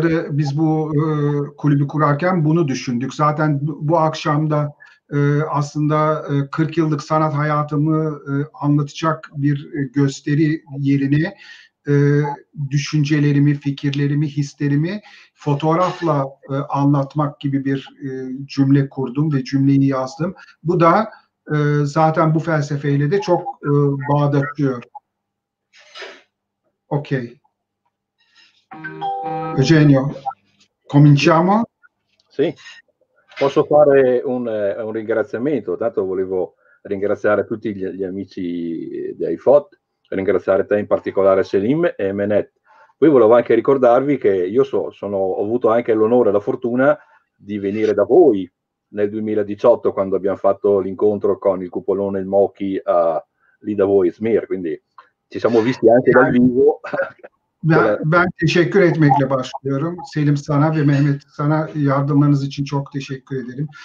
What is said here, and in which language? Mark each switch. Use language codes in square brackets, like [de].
[tr] Biz bu kulübü kurarken bunu düşündük. Zaten bu akşam da aslında 40 yıllık sanat hayatımı anlatacak bir gösteri yerine düşüncelerimi, fikirlerimi, hislerimi fotoğrafla anlatmak gibi bir cümle kurdum ve cümleyi yazdım. Bu da zaten bu felsefeyle de çok bağdaşıyor. Okey. [it] Eugenio, cominciamo? Sì, posso fare un ringraziamento, tanto volevo ringraziare tutti gli amici di iFot, ringraziare te in particolare Selim e Menet. Poi volevo anche ricordarvi che io ho avuto anche l'onore e la fortuna di venire da voi nel 2018 quando abbiamo fatto l'incontro con il cupolone il Mochi lì da voi, Smir, quindi ci siamo visti anche dal vivo. [tr] Ben teşekkür etmekle başlıyorum. Selim sana ve Mehmet sana yardımlarınız için çok teşekkür ederim.